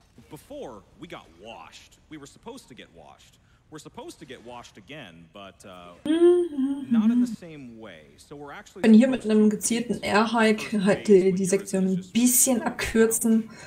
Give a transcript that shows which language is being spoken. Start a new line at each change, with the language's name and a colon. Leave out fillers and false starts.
German: Bevor wir gewaschen wurden, wir waren
English: supposed to get washed. We're supposed to get washed again, but not in the same way. So we're actually.
German: Können hier mit einem gezielten Airhike halt die Sektion ein bisschen abkürzen.